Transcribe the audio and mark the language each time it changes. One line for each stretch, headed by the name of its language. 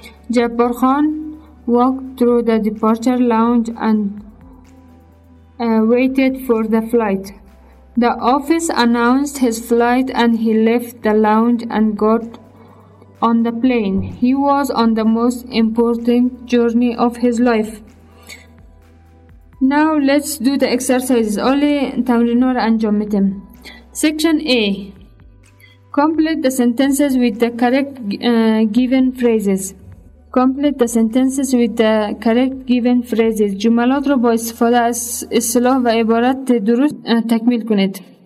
English: Jabbar Khan walked through the departure lounge and waited for the flight. The office announced his flight and he left the lounge and got on the plane. He was on the most important journey of his life. Now let's do the exercises.
Persian: Only تمرین را انجام بدیم.
English: Section A. Complete the sentences with the correct given phrases. Complete the sentences with the correct given phrases.
Persian: جملات را با استفاده از اصطلاح و عبارات درست تکمیل کنید.